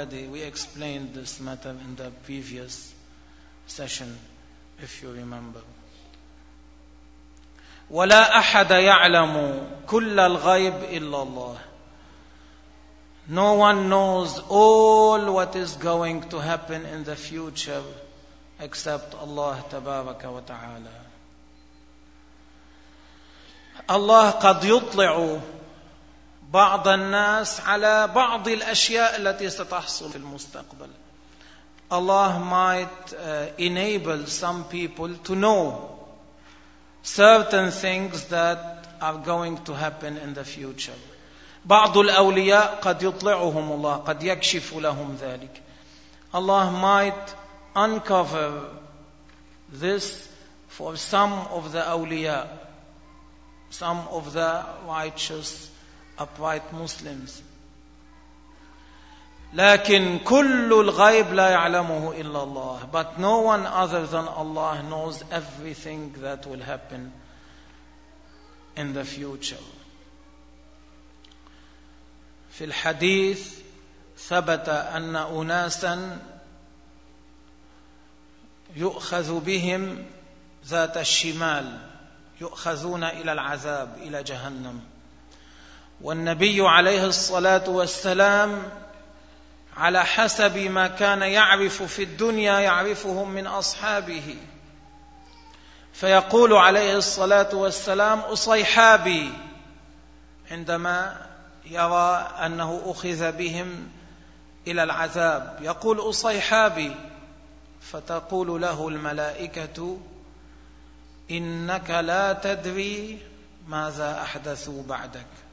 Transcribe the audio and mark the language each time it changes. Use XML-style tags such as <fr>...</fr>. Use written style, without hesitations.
<en>We explained this matter in the previous session, if you remember.</en> <ar>ولا أحد يعلم كل الغيب إلا الله.</ar> <en>No one knows all what is going to happen in the future except Allah</en> <ar>تبارك وتعالى. Allah قد يطلع بعض الناس على بعض الأشياء التي ستحصل في المستقبل.</ar> <en>Allah might enable some people to know certain things that are going to happen in the future.</en> <ar>بعض الأولياء قد يطلعهم الله، قد يكشف لهم ذلك.</ar> <en>Allah might uncover this for some of the أولياء, some of the righteous upright Muslims.</en> <ar>لكن كل الغيب لا يعلمه إلا الله.</ar> <en>But no one other than Allah knows everything that will happen in the future.</en> <ar>في الحديث ثبت أن أناسا يؤخذ بهم ذات الشمال، يؤخذون إلى العذاب، إلى جهنم. والنبي عليه الصلاة والسلام على حسب ما كان يعرف في الدنيا يعرفهم من أصحابه، فيقول عليه الصلاة والسلام أصيحابي، عندما يرى أنه أخذ بهم إلى العذاب يقول أصيحابي، فتقول له الملائكة إنك لا تدري ماذا أحدثوا بعدك.</ar>